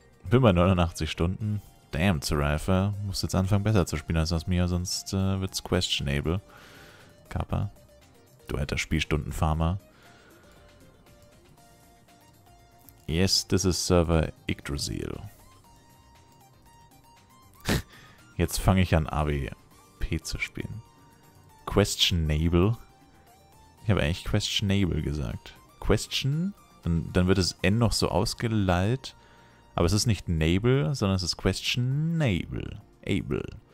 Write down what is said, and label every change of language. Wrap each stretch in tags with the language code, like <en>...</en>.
<de>Bin bei 89 Stunden. Damn, Zerifer. Muss jetzt anfangen, besser zu spielen als aus mir, sonst wird's questionable. Kappa. Du alter Spielstunden-Farmer.</de> <en>Yes, this is Server Yggdrasil.</en> <de>Jetzt fange ich an, AWP zu spielen. Questionable. Ich habe eigentlich questionable gesagt. Question? Dann wird das N noch so ausgelallt. Aber es ist nicht Nable, sondern es ist Questionable. Able.</de>